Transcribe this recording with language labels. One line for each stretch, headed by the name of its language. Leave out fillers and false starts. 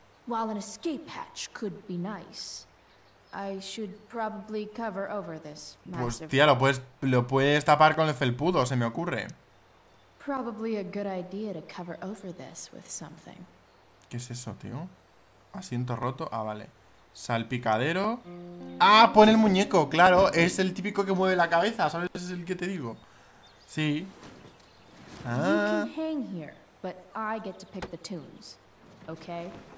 English: While an escape hatch could be nice, I should probably cover over this massive...
Spanish: Pues tía, lo puedes tapar con el felpudo, se me ocurre.
English: Probably a good idea to cover over this with something.
Spanish: ¿Qué es eso, tío? Asiento roto. Ah, vale. Salpicadero. Ah, pon el muñeco, claro. Es el típico que mueve la cabeza, ¿sabes? Es el que te digo. Sí. Ah.
English: You can hang here, but I get to pick the tunes, okay?